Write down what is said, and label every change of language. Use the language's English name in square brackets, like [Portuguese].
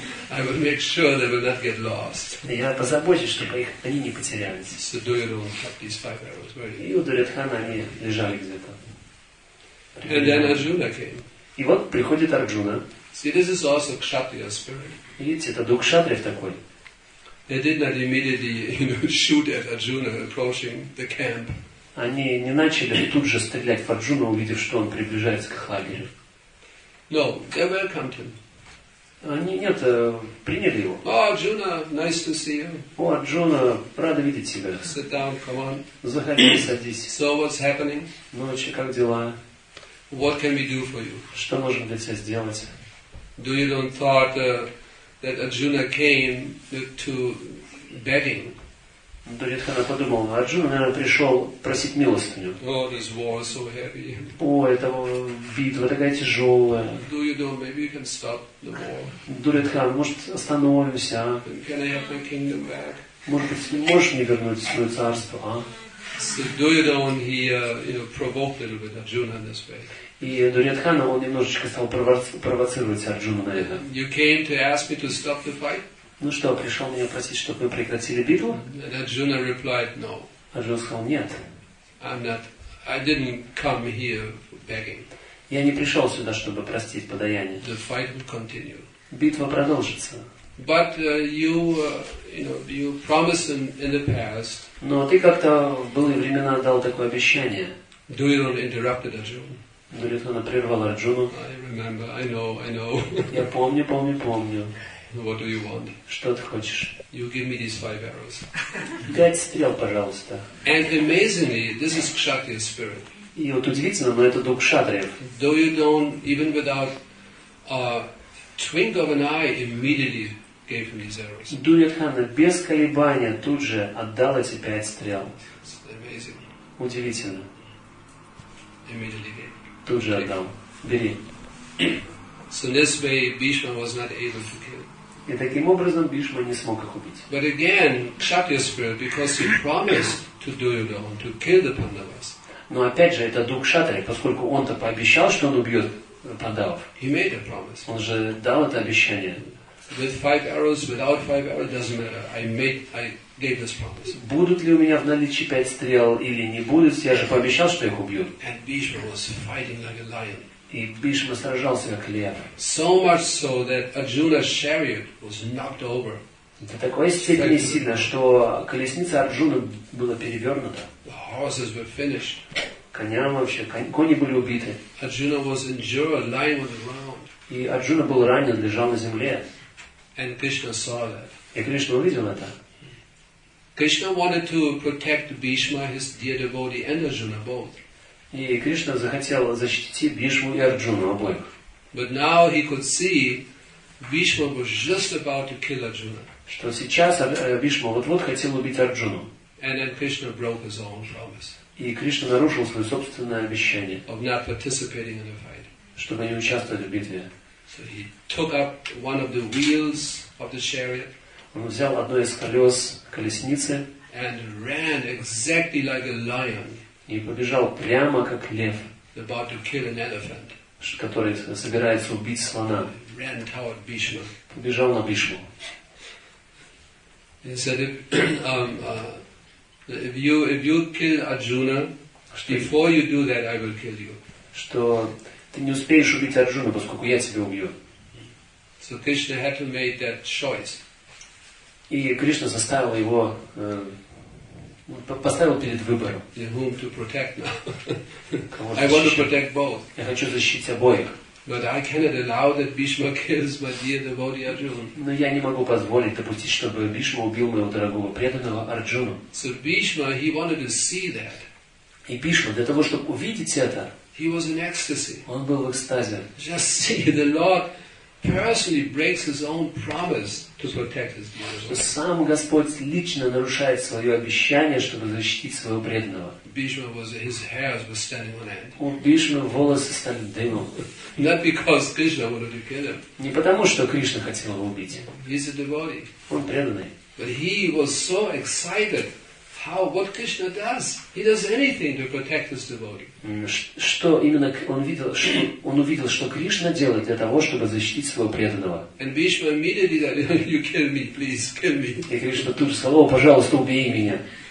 [English] I will make sure they will not get lost. [Russian] Я позабочусь, чтобы их они не потерялись. [English] So Duryodhana kept these five arrows. [Russian] И у Дурьядхана они лежали где-то. [English] And then Arjuna came. [Russian] И вот приходит Арджуна. [English] See, this is also kshatriya spirit. [Russian] Видите, это дух кшатриев такой. [English] They did not immediately, you know, shoot at Arjuna approaching the camp. [Russian] Они не начали тут же стрелять в Арджуну, увидев, что он приближается к лагерю. [English] No, they welcomed him. [Russian] Они, нет, приняли его. [English] О, Арджуна, nice to see you. [Russian] О, Арджуна, рада видеть тебя. [English] Sit down, come on. [Russian] Заходи, садись. [English] So what's happening? [Russian] Ну, как дела? [English] What can we do for you? [Russian] Что можем для тебя сделать? [English] Do you don't thought that Arjuna came to begging? [Russian] Дурьядхана подумал, Арджуна, наверное, пришел просить милостыню. [English] Oh, this war is so heavy. [Russian] О, эта битва такая тяжелая. [English] Do you know, maybe you can stop the war. [Russian] Дурьядхана, может, остановимся, а? [English] Can I have my kingdom back? [Russian] Может быть, можешь мне вернуть свое царство, а? [English] So Duryodhana, he, you know, provoked a little bit Arjuna in this way. [Russian] И Дурьядхана, он немножечко стал провоцировать Арджуну на это. [English] You came to ask me to stop the fight? [Russian] Ну что, пришел меня просить, чтобы мы прекратили битву? [English] And Arjuna replied, no. [Russian] Арджуна сказал, нет. [English] I'm not, I didn't come here begging. [Russian] Я не пришел сюда, чтобы простить подаяние. [English] The fight will continue. [Russian] Битва продолжится. [English] But you, you know, you promised in the past. [Russian] Но ты как-то в былые времена дал такое обещание. [English] Duryodhana interrupted Arjuna. [Russian] Дурьядхана прервал Арджуну. [English] I remember, I know, I know. [Russian] Я помню, помню, помню. [English] What do you want? [Russian] Что ты хочешь? [English] You give me these five arrows. [Russian] Пять стрел, пожалуйста. [English] And amazingly, this is kshatriya spirit. [Russian] И вот удивительно, но это дух кшатриев. [English] Do you don't even without a twinkle of an eye immediately gave him these arrows. [Russian] Дурьядхана без колебания тут же отдал эти пять стрел. [English] Amazing. [Russian] Удивительно. [English] Immediately gave. [Russian] Тут же отдал. Бери. [English] So in this way, Bhishma was not able to kill. [Russian] И таким образом Бишма не смог их убить. [English] But again, kshatriya spirit, because he promised to Duryodhana to kill the Pandavas. [Russian] Но опять же, это дух кшатрия, поскольку он-то пообещал, что он убьет Пандавов. [English] He made a promise. [Russian] Он же дал это обещание. [English] With five arrows, without five arrows, doesn't matter. I gave this promise. [Russian] Будут ли у меня в наличии пять стрел или не будут, я же пообещал, что их убью. [English] And Bhishma was fighting like a lion. [Russian] И Бишма сражался как лев. [English] So much so that Arjuna's chariot was knocked over. [Russian] До такой степени сильно, что колесница Арджуны была перевернута. [English] The horses were finished. [Russian] Коням вообще, кони были убиты. [English] Arjuna was injured, lying on the ground. [Russian] И Арджуна был ранен, лежал на земле. [English] And Krishna saw that. [Russian] И Кришна увидел это. [English] Krishna wanted to protect Bhishma, his dear devotee, and Arjuna both. [Russian] И Кришна захотел защитить Бишму и Арджуну обоих. [English] But now he could see Bhishma was just about to kill Arjuna. [Russian] Что сейчас Бишма вот-вот хотел убить Арджуну. [English] And then Krishna broke his own promise. [Russian] И Кришна нарушил свое собственное обещание. [English] Of not participating in the fight. [Russian] Чтобы не участвовать в битве. [English] So he took up one of the wheels of the chariot. [Russian] Он взял одно из колес колесницы. [English] And ran exactly like a lion. [Russian] И побежал прямо как лев. [English] About to kill an elephant. [Russian] Который собирается убить слона. [English] Ran toward Bhishma. [Russian] Побежал на Бишму. [English] He said, if you kill Arjuna, before you do that, I will kill you. [Russian] Что ты не успеешь убить Арджуну, поскольку я тебя убью. [English] So Krishna had to make that choice. [Russian] И Кришна заставил его поставил перед выбором. [English] Whom to protect now? I want to protect both. [Russian] Я хочу защитить обоих. [English] But I cannot allow that Bhishma kills my dear devotee Arjuna. [Russian] Но я не могу позволить допустить, чтобы Бишма убил моего дорогого преданного Арджуну. [English] So Bhishma, he wanted to see that. [Russian] И Бишма для того, чтобы увидеть это. [English] He was in ecstasy. [Russian] Он был в экстазе. [English] Just see the Lord personally breaks his own promise to protect his dear devotee. [Russian] Сам Господь лично нарушает свое обещание, чтобы защитить своего преданного. [English] Bhishma was his hairs were standing on end. [Russian] У Бишмы волосы стали дымом. [English] Not because Krishna wanted to kill him. [Russian] Не потому, что Кришна хотел его убить. [English] He's a devotee. [Russian] Он преданный. [English] But he was so excited. How what Krishna does? He does anything to protect his devotee. [Russian] Что именно он видел? Он увидел, что Кришна делает для того, чтобы защитить своего преданного. [English] And Bhishma immediately said, "You kill me, please kill me." [Russian] И Кришна тут же сказал: "Пожалуйста, убей меня."